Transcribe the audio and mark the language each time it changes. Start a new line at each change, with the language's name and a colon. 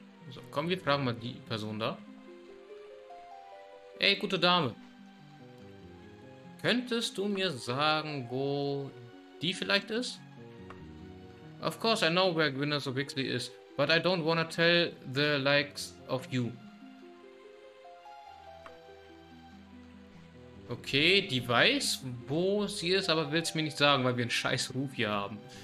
German: So, komm, wir fragen mal die Person da. Ey, gute Dame. Könntest du mir sagen, wo die vielleicht ist?
English: Of course I know where Gwyneth Wixley is, but I don't wanna tell the likes of you.
German: Okay, die weiß, wo sie ist, aber will es mir nicht sagen, weil wir einen scheiß Ruf hier haben.